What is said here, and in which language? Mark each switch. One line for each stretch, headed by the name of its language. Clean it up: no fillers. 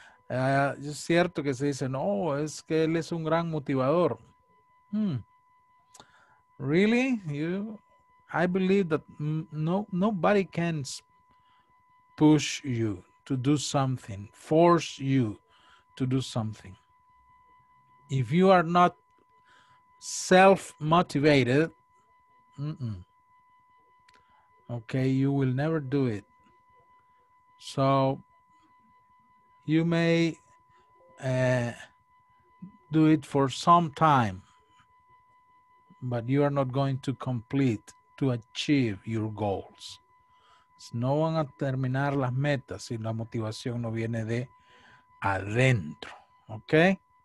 Spanish: Es cierto que se dice, no, es que él es un gran motivador.
English: Really? I believe that nobody can push you to do something, force you to do something. If you are not self-motivated, okay, you will never do it. So you may do it for some time, but you are not going to complete to achieve your goals.
Spanish: No van a terminar las metas si la motivación no viene de adentro, okay?